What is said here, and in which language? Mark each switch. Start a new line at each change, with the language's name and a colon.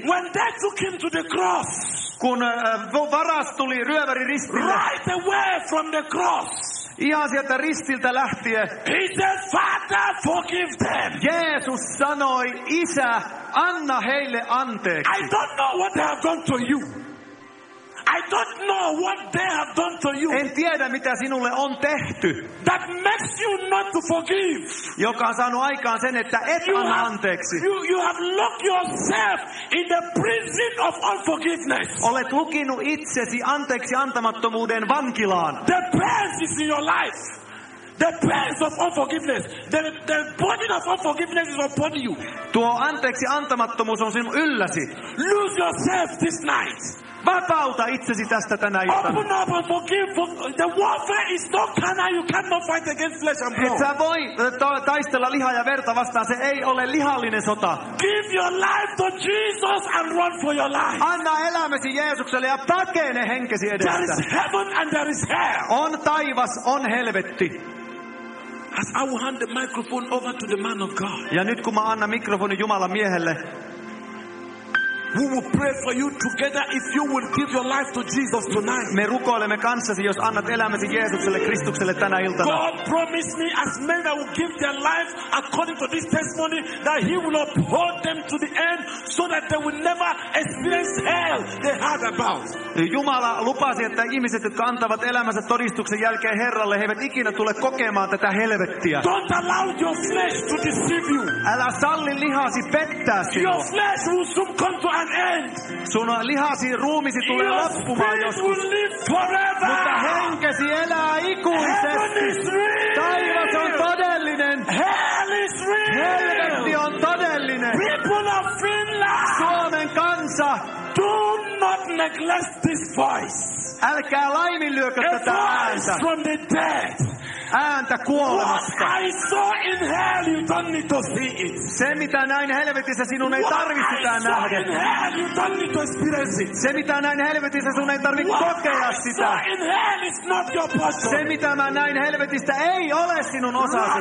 English: When they took him to the cross.
Finnish: Kun varas tuli ryöväri ristille.
English: Right away from the cross.
Finnish: Ihan sieltä ristiltä lähtien.
English: He said, Father, forgive them.
Finnish: Jeesus sanoi, Isä, anna heille anteeksi.
English: I don't know what they have done to you. I don't know what they have done to you.
Finnish: En tiedä mitä sinulle on tehty.
English: That makes you not to forgive.
Finnish: Joka on saanut aikaan sen, että et anna anteeksi.
English: You have locked yourself in the prison of unforgiveness.
Finnish: Olet lukinut itsesi anteeksi antamattomuuden vankilaan.
English: The prison is in your life. The prince of unforgiveness, the burden of unforgiveness is upon you.
Finnish: Tuo anteeksi antamattomuus on sinun ylläsi.
English: Lose yourself this night.
Finnish: Vapauta itsesi tästä tänä iltana.
English: Open up and forgive. The warfare is not carnal. You cannot fight against flesh and blood.
Finnish: Et sä voi taistella lihaa ja verta vastaan. Se ei ole lihallinen sota.
English: Give your life to Jesus and run for your life.
Finnish: Anna elämäsi Jeesukselle ja pakene henkesi edestä.
English: There is heaven and there is hell.
Finnish: On taivas, on helvetti.
English: As I will hand the microphone over to the man of God.
Finnish: Ja nyt kun mä annan mikrofonin Jumalan miehelle.
English: We will pray for you together if you will give your life to Jesus tonight.
Finnish: Me rukoilemme kanssasi, jos annat elämäsi Jeesukselle Kristukselle tänä iltana.
English: God promised me as men that will give their life according to this testimony that he will uphold them to the end so that they will never experience hell they heard about.
Finnish: Jumala lupasi, että ihmiset, jotka antavat elämänsä todistuksen jälkeen Herralle, he eivät ikinä tule kokemaan tätä helvettiä.
English: Don't allow your flesh to deceive you.
Finnish: Älä salli lihasi pettää sinua.
English: Your flesh will soon come to an end.
Finnish: Sun lihasi ruumisi tulee
English: your
Finnish: loppumaan joskus.
English: Will live forever.
Finnish: Mutta henkesi elää ikuisesti. Taivas on todellinen.
English: Hell is real.
Finnish: Helvetti on todellinen.
English: People of Finland.
Finnish: Suomen kansa.
English: Do not neglect this voice.
Finnish: Älkää laiminlyökö tätä ääntä.
English: From the dead.
Finnish: Ääntä kuolemasta.
English: I saw in hell, you don't need to see it.
Finnish: Se mitä näin helvetissä sinun
English: what
Finnish: ei tarvitse sitä nähdä.
English: Hell, you don't need to experience it.
Finnish: Se mitä näin helvetissä sinun ei tarvitse kokea sitä.
English: In hell is not your portion.
Finnish: Se mitä mä näin helvetistä ei ole sinun osasi.